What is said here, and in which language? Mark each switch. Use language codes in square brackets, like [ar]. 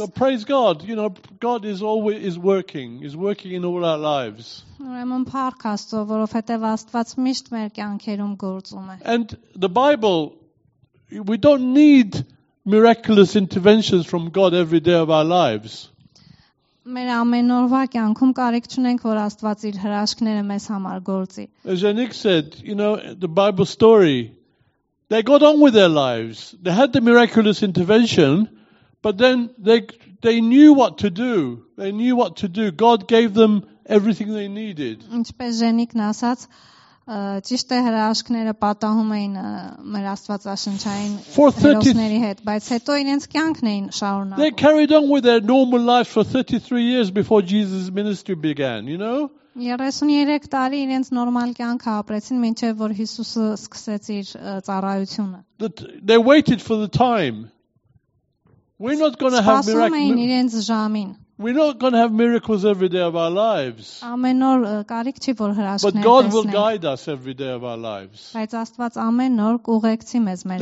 [en] So praise God, you know, God is always is working in all our lives. [hy] Ուրեմն փառք Աստծո, որովհետեւ Աստված միշտ մեր կյանքերում գործում է։ [en] And the Bible, we don't need miraculous interventions from God every day of our lives. [hy] Մեր ամենօրվա կյանքում կարիք չունենք, որ Աստված իր հրաշքները մեզ համար գործի։ [en] Jenik said, you know, the Bible story. They got on with their lives. They had the miraculous intervention, but then they knew what to do. They knew what to do. God gave them everything they needed. [hy] Ինչպես Jenik-ն ասաց, ճիշտ է, հրաշքները պատահում էին մեր աստվածաշնչային հերոսների հետ, բայց հետո իրենց կյանքն էին շարունակում։ [en] They carried on with their normal life for 33 years before Jesus' ministry began, you know? [hy] 33 տարի իրենց նորմալ կյանքը ապրեցին, մինչև որ Հիսուսը սկսեց իր ծառայությունը։ [en] They waited for the time. We're not going to have miracles. [hy] Սպասում էին իրենց ժամին։ [en] We're not going to have miracles every day of our lives. [hy] Ամենօր կարիք չի որ հրաշքներ։ [en] But God will guide us every day of our lives. [hy] Բայց Աստված ամենօր կուղեկցի մեզ մեր։